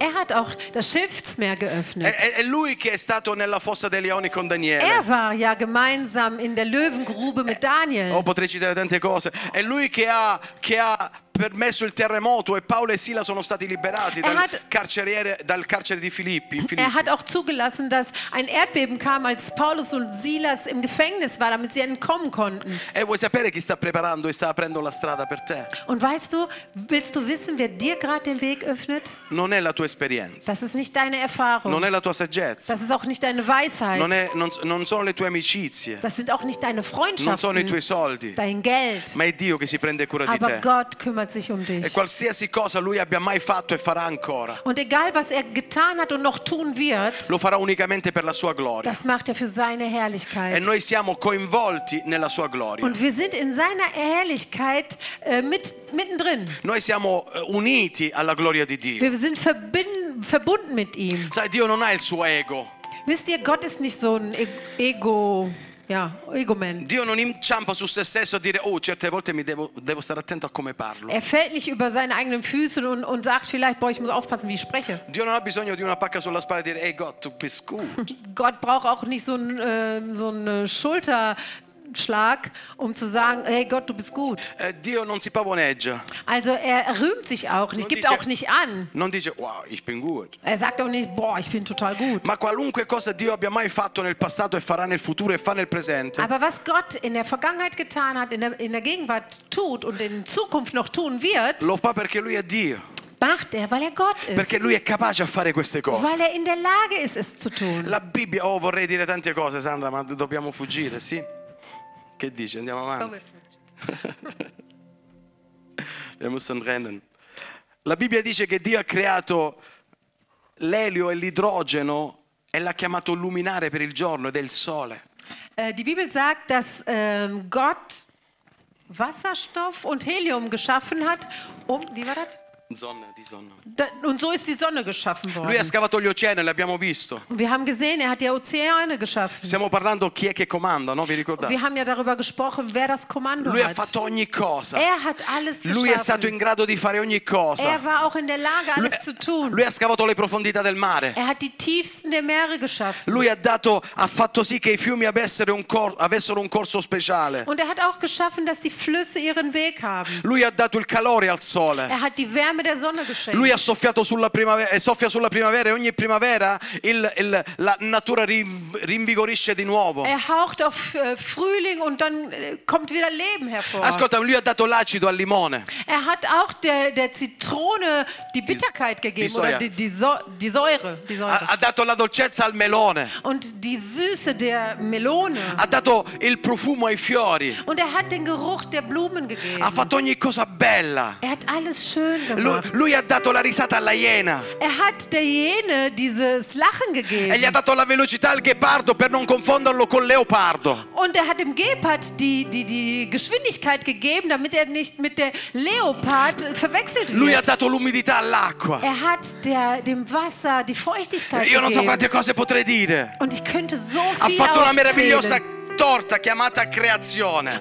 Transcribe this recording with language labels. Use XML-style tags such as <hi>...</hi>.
<de>Er hat auch das Schiffsmeer geöffnet.</de> <it>È lui che è stato nella fossa dei leoni con Daniele.</it> <de>Er war ja gemeinsam in der Löwengrube mit Daniel.</de> <it>Oh, potrei citare tante cose. È lui che ha permesso il terremoto e Paolo e Sila sono stati liberati dal carcere di Filippi.</it> <de>Er hat auch zugelassen, dass ein Erdbeben kam, als Paulus und Silas im Gefängnis waren, damit sie entkommen konnten.</de> <it>E vuoi sapere chi sta preparando e sta aprendo la strada per te?</it> <de>Und weißt du, willst du wissen, wer dir gerade den Weg öffnet?</de> <it>Non è la tua esperienza.</it> <de>Das ist nicht deine Erfahrung.</de> <it>Non è la tua saggezza.</it> <de>Das ist auch nicht deine Weisheit.</de> <it>Non sono le tue amicizie.</it> <de>Das sind auch nicht deine Freundschaften.</de> <it>Non sono i tuoi soldi.</it> <de>Dein Geld.</de> <it>Ma è Dio che si prende cura</it> <de>Aber</de> <it>di te.</it> <de>Gott kümmert sich um dich.</de> <it>E qualsiasi cosa lui abbia mai fatto e farà ancora.</it> <de>Und egal was er getan hat und noch tun wird.</de> <it>Lo farà unicamente per la sua gloria.</it> <de>Das macht er für seine Herrlichkeit.</de> <it>E noi siamo coinvolti nella sua gloria.</it> <de>Und wir sind in seiner Herrlichkeit mittendrin.</de> <it>Noi siamo uniti alla gloria di Dio.</it> <de>Wir sind verbunden mit ihm.</de> <it>Sai, Dio non ha il suo ego.</it> <de>Wisst ihr, Gott ist nicht so ein Ego.</de> <it>Dio non inciampa su se stesso a dire, oh, certe volte mi devo stare attento a come parlo.</it> <de>Er fällt nicht über seine eigenen Füße und sagt vielleicht, boah, ich muss aufpassen, wie ich spreche.</de> <it>Dio non ha bisogno di una pacca sulla spalla e dire, hey Gott, du bist gut.</it> <de>Gott braucht auch nicht so einen Schulterschlag, um zu sagen, hey Gott, du bist gut.</de> <it>Dio non si pavoneggia.</it> <de>Also er rühmt sich auch nicht, gibt auch nicht an.</de> <it>Non dice, wow,</it> <de>ich bin gut. Er sagt auch nicht, boah, ich bin total gut.</de> <it>Ma qualunque cosa Dio abbia mai fatto nel passato e farà nel futuro e fa nel presente.</it> <de>Aber was Gott in der Vergangenheit getan hat, in der Gegenwart tut und in Zukunft noch tun wird.</de> <it>Lo fa perché lui è Dio.</it> <de>macht er, weil er Gott ist.</de> <it>Perché lui è capace a fare queste cose.</it> <de>Weil er in der Lage ist, es zu tun.</de> <it>La Bibbia, oh, vorrei dire tante cose, Sandra, ma dobbiamo fuggire, sì? Che dice? Andiamo avanti.</it> <de>Wir müssen rennen.</de> <it>La Bibbia dice che Dio ha creato l'elio e l'idrogeno e l'ha chiamato luminare per il giorno ed è il sole.</it> <de>Die Bibel sagt, dass Gott Wasserstoff und Helium geschaffen hat, um, wie war das? Sonne, die Sonne. Da, und so ist die Sonne geschaffen worden.</de> <it>Lui ha scavato gli oceani, l'abbiamo visto.</it> <de>Wir haben gesehen, er hat die Ozeane geschaffen.</de> <it>Stiamo parlando chi è che comanda, no? Vi ricordate?</it> <de>Wir haben ja darüber gesprochen, wer das Kommando</de> <it>lui</it> <de>hat.</de> <it>Lui ha fatto ogni cosa.</it> <de>Er hat alles</de> <it>lui</it> <de>geschaffen.</de> <it>È stato in grado di fare ogni cosa.</it> <de>Er war auch in der Lage, alles</de> <it>lui,</it> <de>zu tun.</de> <it>Lui ha scavato le profondità del mare.</it> <de>Er hat die tiefsten der Meere geschaffen.</de> <it>Lui ha dato, ha fatto sì che i fiumi avessero un corso speciale.</it> <de>Und er hat auch geschaffen, dass die Flüsse ihren Weg haben.</de> <it>Lui ha dato il calore al sole.</it> <de>Er hat die Wärme der Sonne geschenkt.</de> <it>Lui ha soffiato sulla primavera e soffia sulla primavera e ogni primavera la natura rinvigorisce di nuovo.</it> <de>Er haucht auf Frühling und dann kommt wieder Leben hervor.</de> <it>Ascolta, lui ha dato l'acido al limone.</it> <de>Er hat auch der Zitrone die Bitterkeit gegeben die Säure.</de> <it>Ha dato la dolcezza al melone.</it> <de>Und die Süße der Melone.</de> <it>Ha dato il profumo ai fiori.</it> <de>Und er hat den Geruch der Blumen gegeben.</de> <it>Ha fatto ogni cosa bella.</it> <de>Er hat alles schön gemacht.</de> <it>Lui ha dato la risata alla iena.</it> <de>Er hat der Jene dieses Lachen gegeben.</de> <it>E gli ha dato la velocità al ghepardo per non confonderlo col leopardo.</it> <de>Und er hat dem Gepard die Geschwindigkeit gegeben, damit er nicht mit der Leopard verwechselt wird.</de> <it>Lui ha dato l'umidità all'acqua.</it> <de>Er hat dem Wasser die Feuchtigkeit gegeben.</de> <it>Io non so quante cose potrei dire.</it> <de>Und ich könnte so viel</de> <it>ha fatto una meravigliosa torta chiamata creazione.</it>